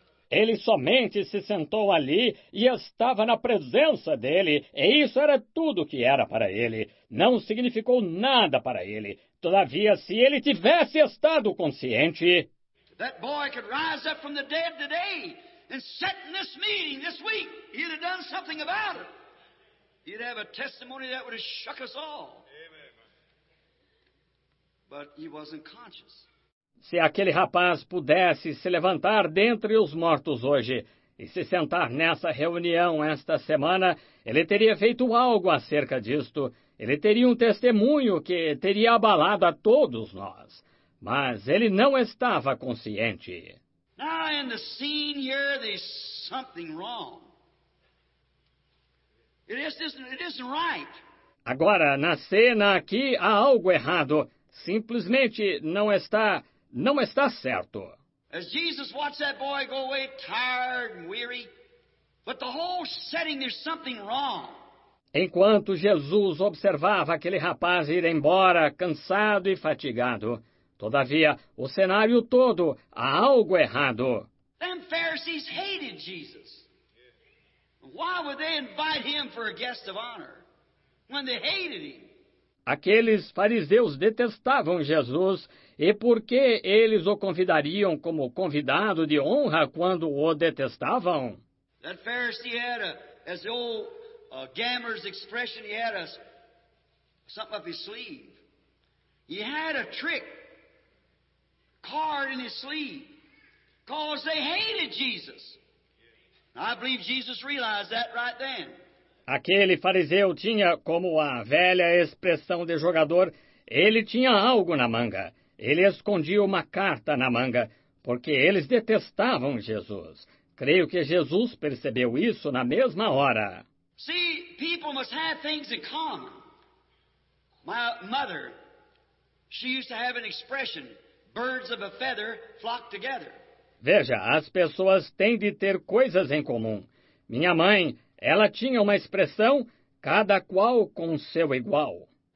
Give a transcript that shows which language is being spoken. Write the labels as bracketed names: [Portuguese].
[Portuguese] Ele somente se sentou ali e estava na presença dele, e isso era tudo que era para ele. Não significou nada para ele. Todavia, se ele tivesse estado consciente, [English] that boy could rise up from the dead today and sit in this meeting this week. He'd have done something about it. He'd have a testimony that would have shook us all. Amen. But he wasn't conscious. [Portuguese] Se aquele rapaz pudesse se levantar dentre os mortos hoje e se sentar nessa reunião esta semana, ele teria feito algo acerca disto. Ele teria um testemunho que teria abalado a todos nós. Mas ele não estava consciente. [English] Now in the scene here, there's something wrong. It isn't right. [Portuguese] Agora, na cena aqui, há algo errado. Simplesmente não está certo. [English] As Jesus watched that boy go away tired and weary, but the whole setting, there's something wrong. [Portuguese] Enquanto Jesus observava aquele rapaz ir embora cansado e fatigado, todavia, o cenário todo, há algo errado. [English] Them Pharisees hated Jesus. Why would they invite him for a guest of honor when they hated him? [Portuguese] Aqueles fariseus detestavam Jesus, e por que eles o convidariam como convidado de honra quando o detestavam? [English] That Pharisee had a, as the old gammer's expression, he had a, something up his sleeve. He had a trick card in his sleeve, because they hated Jesus. I believe Jesus realized that right then. [Portuguese] Aquele fariseu tinha, como a velha expressão de jogador, ele tinha algo na manga. Ele escondia uma carta na manga, porque eles detestavam Jesus. Creio que Jesus percebeu isso na mesma hora. [English] See, people must have things in common. My mother, she used to have an expression, birds of a feather flock together. [Portuguese] Veja, as pessoas têm de ter coisas em comum. Minha mãe, ela tinha uma expressão, cada qual com seu igual.